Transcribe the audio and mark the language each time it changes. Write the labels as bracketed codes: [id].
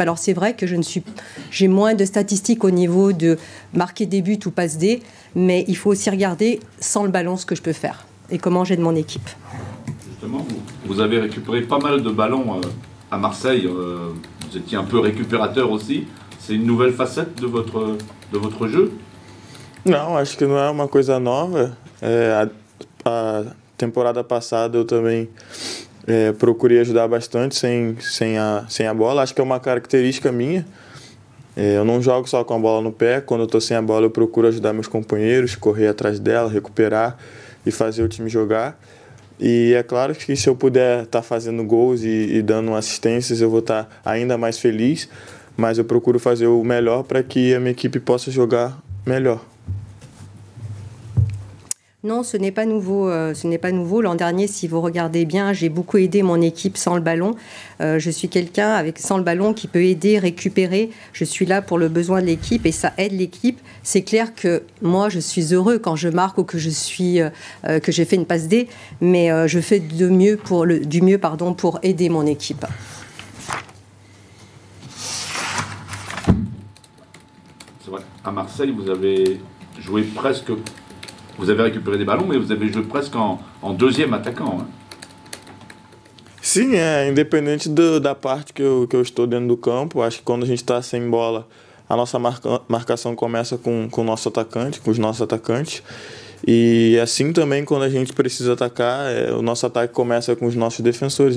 [fr] Alors c'est vrai que j'ai moins de statistiques au niveau de marquer des buts ou passe des, mais il faut aussi regarder sans le ballon ce que je peux faire et comment j'aide mon équipe. Vous avez récupéré pas mal de ballons à Marseille, vous étiez un peu récupérateur aussi. C'est une nouvelle facette de votre jeu? [pt] Non, acho que não é uma coisa nova. A temporada passada eu também procurei ajudar bastante sem a bola. Acho que é uma característica minha. Eu não jogo só com a bola no pé. Quando eu tô sem a bola, eu procuro ajudar meus companheiros, correr atrás dela, recuperar e fazer o time jogar. E é claro que se eu puder estar fazendo gols e dando assistências, eu vou estar ainda mais feliz, mas eu procuro fazer o melhor para que a minha equipe possa jogar melhor. [fr] Non, ce n'est pas nouveau. Ce n'est pas nouveau. L'an dernier, si vous regardez bien, j'ai beaucoup aidé mon équipe sans le ballon. Je suis quelqu'un avec sans le ballon qui peut aider, récupérer. Je suis là pour le besoin de l'équipe et ça aide l'équipe. C'est clair que moi, je suis heureux quand je marque ou que je suis que j'ai fait une passe D, mais je fais de mieux pour le, du mieux, pardon, pour aider mon équipe. C'est vrai. À Marseille, vous avez joué presque. Vous avez récupéré des ballons, mais vous avez joué presque en deuxième attaquant. [pt] Sim, é independente da parte que eu estou dentro do campo. Acho que quando a gente está sem bola, a nossa marcação começa com o nosso atacante, com os nossos atacantes. E assim também, quando a gente precisa atacar, o nosso ataque começa com os nossos defensores.